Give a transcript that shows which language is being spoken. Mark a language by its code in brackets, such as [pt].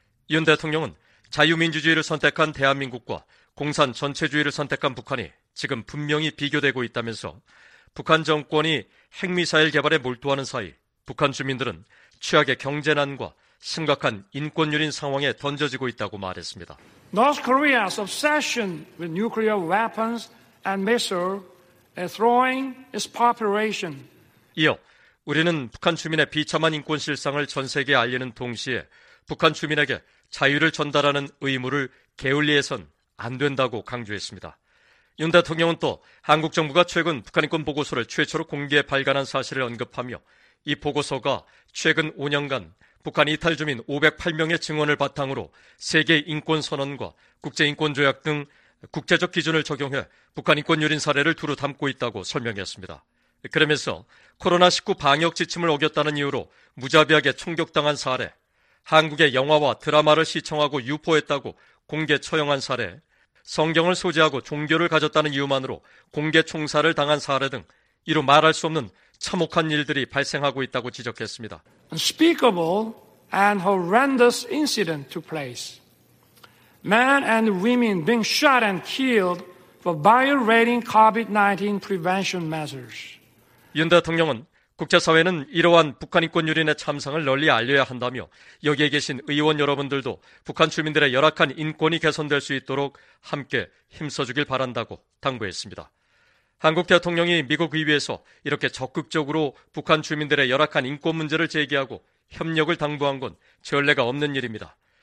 [ko] 윤 대통령은 자유민주주의를 선택한 대한민국과 공산 전체주의를 선택한 북한이 지금 분명히 비교되고 있다면서 북한 정권이 핵미사일 개발에 몰두하는 사이 북한 주민들은 최악의 경제난과 심각한 인권 유린 상황에 던져지고 있다고 말했습니다. [en] North Korea's obsession with nuclear weapons and missiles is throwing its population. [ko] 이어 우리는 북한 주민의 비참한 인권 실상을 전 세계에 알리는 동시에 북한 주민에게 자유를 전달하는 의무를 게을리해선 안 된다고 강조했습니다. 윤 대통령은 또 한국 정부가 최근 북한 인권 보고서를 최초로 공개 발간한 사실을 언급하며 이 보고서가 최근 5년간 북한 이탈 주민 508명의 증언을 바탕으로 세계 인권 선언과 국제 인권 조약 등 국제적 기준을 적용해 북한 인권 유린 사례를 두루 담고 있다고 설명했습니다. 그러면서 코로나19 방역 지침을 어겼다는 이유로 무자비하게 총격당한 사례, 한국의 영화와 드라마를 시청하고 유포했다고 공개 처형한 사례, 성경을 소지하고 종교를 가졌다는 이유만으로 공개 총살을 당한 사례 등 이루 말할 수 없는 참혹한 일들이 발생하고 있다고 지적했습니다. [en] Unspeakable and horrendous incident took place. Men and women being shot and killed for violating COVID-19 prevention measures. [ko] 윤 대통령은 국제사회는 이러한 북한 인권 유린의 참상을 널리 알려야 한다며 여기에 계신 의원 여러분들도 북한 주민들의 열악한 인권이 개선될 수 있도록 함께 힘써주길 바란다고 당부했습니다. 한국 대통령이 미국 의회에서 이렇게 적극적으로 북한 주민들의 열악한 인권 문제를 제기하고 협력을 당부한 건 전례가 없는 일입니다.